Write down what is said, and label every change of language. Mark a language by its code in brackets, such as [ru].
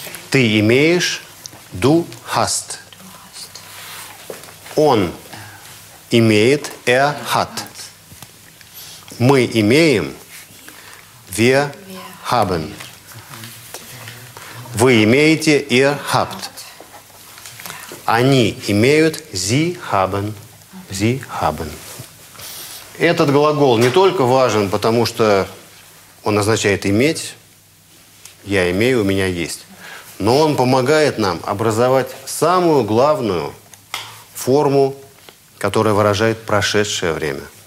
[ru] Ты имеешь, [de] du hast. [ru] Он имеет, [de] er hat. [ru] Мы имеем, [de] wir haben. [ru] Вы имеете, [de] ihr habt. [ru] Они имеют, [de] sie haben, sie haben. [ru] Этот глагол не только важен, потому что он означает иметь, я имею, у меня есть, но он помогает нам образовать самую главную форму, которая выражает прошедшее время.